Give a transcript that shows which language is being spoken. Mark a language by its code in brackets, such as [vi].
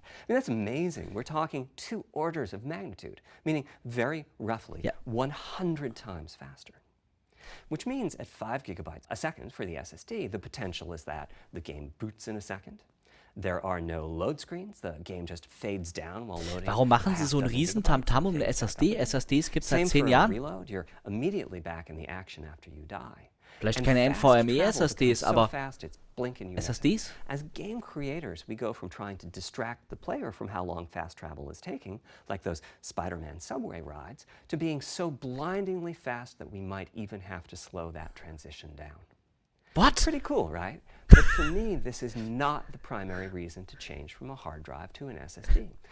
[en] I mean, that's amazing. We're talking 2 orders of magnitude, meaning very roughly 100 times faster. Which means at 5 gigabytes a second for the SSD, the potential is that the game boots in a second. There are no load screens. The game just fades down while loading. [de] Warum machen sie so einen riesen Tamtam um eine SSD? SSDs gibt es seit 10 Jahren. [en] Reload, you're immediately back in the action after you die. [de] Vielleicht keine NVMe-SSDs, aber SSDs? [en] As game creators, we go from trying to distract the player from how long fast travel is taking, like those Spider-Man subway rides, to being so blindingly fast that we might even have to slow that transition down. What? Pretty cool, right? But for me, this is not the primary reason to change from a hard drive to an SSD.